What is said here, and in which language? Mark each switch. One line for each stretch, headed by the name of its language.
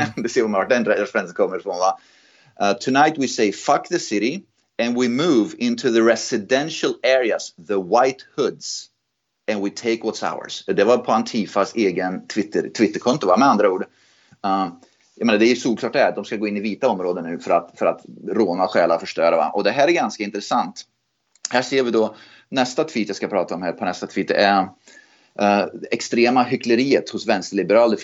Swedish: Det ser man den referensen kommer från, va?
English: Tonight we say fuck the city and we move into the residential areas, the white hoods, and we take what's ours.
Swedish: Det var på Antifas egen Twitterkonto, va? Med andra ord. Jag menar, det är ju solklart det här. De ska gå in i vita områden nu för att råna, stjäla, förstöra, va? Och det här är ganska intressant. Här ser vi då nästa tweet jag ska prata om här på nästa tweet är extrema hyckleriet hos vänsterliberaler.